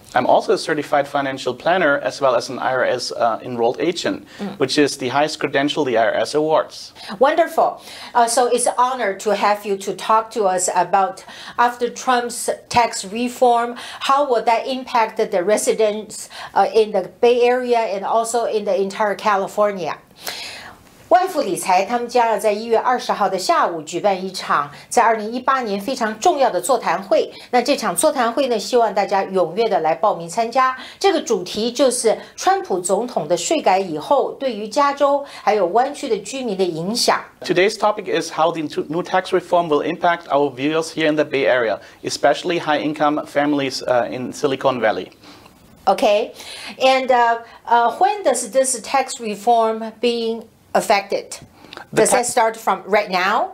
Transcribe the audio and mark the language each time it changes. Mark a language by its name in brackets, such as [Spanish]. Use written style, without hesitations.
[English] I'm also a certified financial planner as well as an IRS enrolled agent, which is the highest credential the IRS awards. Wonderful. So it's an honor to have you to talk to us about after Trump's tax reform, how will that impact the residents in the Bay Area and also in the entire California? [Chinese] 万富理财他们将要在1月20号的下午举办一场在2018年非常重要的座谈会。那这场座谈会呢，希望大家踊跃的来报名参加。这个主题就是川普总统的税改以后对于加州还有湾区的居民的影响。 [English] Today's topic is how the new tax reform will impact our viewers here in the Bay Area, especially high income families in Silicon Valley. Okay, and when does this tax reform beingaffected? Does that start from right now?